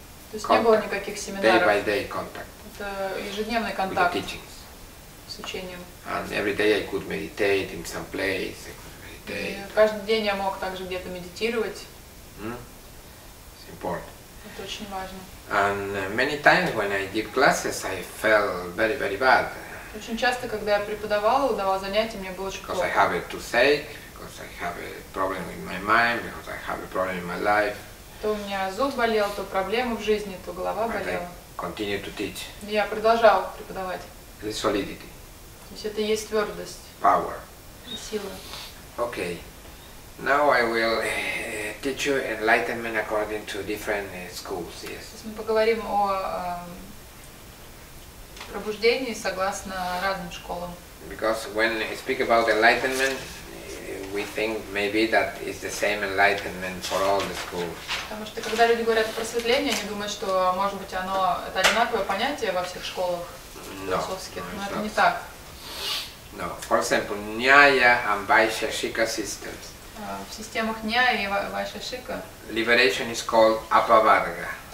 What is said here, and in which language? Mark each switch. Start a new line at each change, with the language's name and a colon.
Russian: То есть не было никаких семинаров.
English: Day by day contact.
Russian: Это ежедневный контакт.
English: With teachings.
Russian: С учением.
English: And every day I could meditate in some place. I could meditate.
Russian: И каждый день я мог также где-то медитировать.
English: It's important.
Russian: Это очень важно.
English: And many times when I give classes, I felt very, very bad.
Russian: Очень часто, когда я преподавал, давал занятия, мне было очень плохо.
English: Because I have it to say. Because I have a problem with my mind, because I have a problem in my life.
Russian: То у меня зуб болел, то проблемы в жизни, то голова болела.
English: Continue to teach.
Russian: Я продолжал преподавать.
English: It's solidity.
Russian: То есть это есть твердость.
English: Power.
Russian: И сила.
English: Okay. Now I will teach you enlightenment according to different schools. Yes.
Russian: Сейчас мы поговорим о пробуждении согласно разным школам.
English: Because when I speak about enlightenment, we think maybe that it's the same enlightenment for all the schools.
Russian: Потому что когда люди говорят о просветлении, они думают, что, может быть, оно это одинаковое понятие во всех школах философских.
English: No,
Russian: но это не так.
English: No. For example, Nyaya and Vaisheshika systems.
Russian: В системах Nyaya и Vaisheshika.
English: Liberation is called Apavarga.